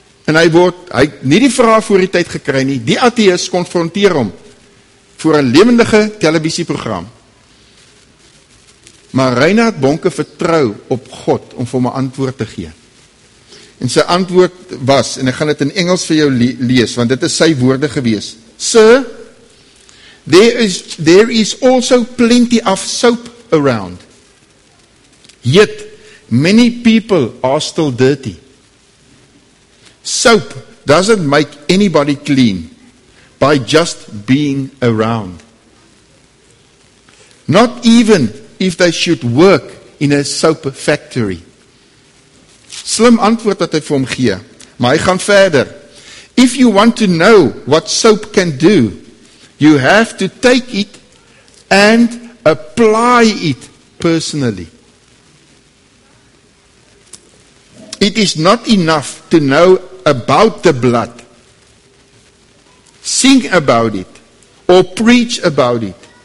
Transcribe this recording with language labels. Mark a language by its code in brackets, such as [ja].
[af] En hy word, hy nie die vraag voor die tyd gekry nie, die atheïs konfronteer hom voor 'n lewendige televisieprogram. Maar Reinhard Bonke vertrou op God om vir hom 'n antwoord te gee. En sy antwoord was, en ek gaan dit in Engels vir jou lees, want dit is sy woorde gewees. [en] Sir, there is also plenty of soap around. Yet, many people are still dirty. Soap doesn't make anybody clean by just being around. Not even if they should work in a soap factory. [af] Slim antwoord wat hy vir hom gee, maar hy gaan verder. [en] If you want to know what soap can do, you have to take it and apply it personally. It is not enough to know about the blood, sing about it, or preach about it.